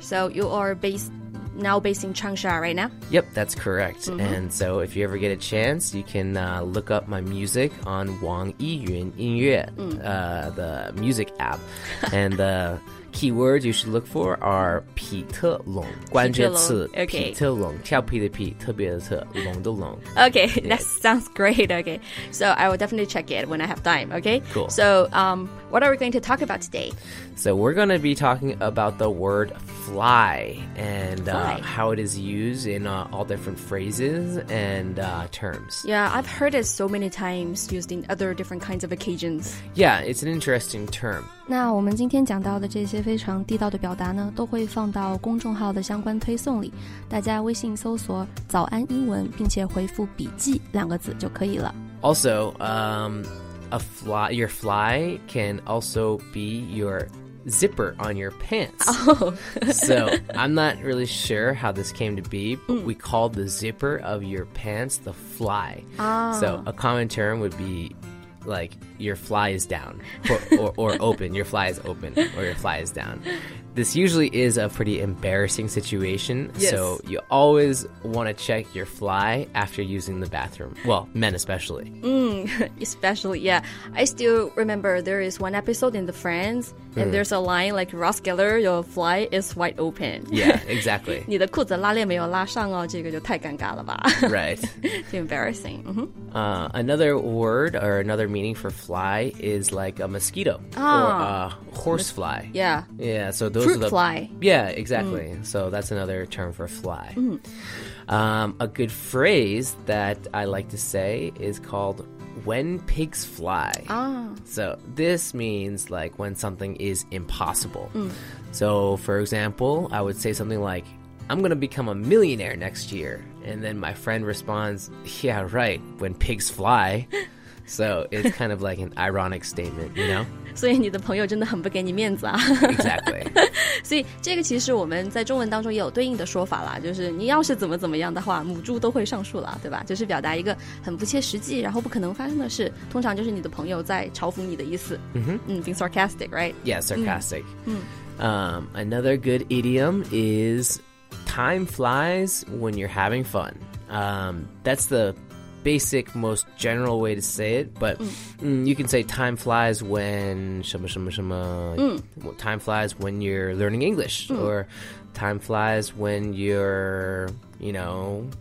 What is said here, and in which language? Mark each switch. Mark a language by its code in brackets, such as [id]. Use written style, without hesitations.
[en] So you are based in Changsha right now? Yep, that's correct. Mm-hmm. And so if you ever get a chance, you can look up my music on Wang Yiyun Yinyue, the music app. And the keywords you should look for are 皮特龙, [zh] 关键词, [en] okay. [zh] 皮特龙, 跳皮的皮, 特别的特, 龙的龙. [en] Okay, yeah. That sounds great. Okay, so I will definitely check it when I have time, okay? Cool. So what are we going to talk about today? So we're going to be talking about the word fly and how it is used in all different phrases and terms. Yeah, I've heard it so many times used in other different kinds of occasions. Yeah, it's an interesting term. [zh] 那我们今天讲到的这些非常地道的表达呢，都会放到公众号的相关推送里，大家微信搜索早安英文，并且回复笔记两个字就可以了。 [en] Also, a fly, your fly can also be your zipper on your pants. Oh. So I'm not really sure how this came to be, but we called the zipper of your pants the fly. Oh. So a common term would be like your fly is down or open, your fly is open or your fly is down. This usually is a pretty embarrassing situation, yes. So you always want to check your fly after using the bathroom. Well, men especially. Especially, yeah. I still remember there is one episode in The Friends, and there's a line like, Ross Geller, your fly is wide open. Yeah, exactly. [zh] 你的裤子拉链没有拉上哦，这个就太尴尬了吧。 [en] Right. It's embarrassing. Mm-hmm. Another word or another meaning for fly is like a mosquito or a horse fly. Yeah. Yeah, so those fruit are the fly. Yeah, exactly. Mm. So that's another term for fly. Mm. A good phrase that I like to say is called when pigs fly. So this means like when something is impossible. So for example, I would say something like, I'm going to become a millionaire next year. And then my friend responds, yeah, right, when pigs fly. So it's kind of like an ironic statement, you know? [zh] 所以你的朋友真的很不给你面子啊。 [en] Exactly. [zh] 所以这个其实我们在中文当中也有对应的说法啦，就是你要是怎么怎么样的话，母猪都会上树了，对吧？就是表达一个很不切实际，然后不可能发生的事，通常就是你的朋友在嘲讽你的意思。 Mm-hmm. [en] Being sarcastic, right? Yeah, sarcastic. Mm-hmm. Another good idiom is time flies when you're having fun. That's the basic, most general way to say it, but you can say time flies when [zh] 什么什么什么 [en] time flies when you're learning English, or time flies when you're, you know,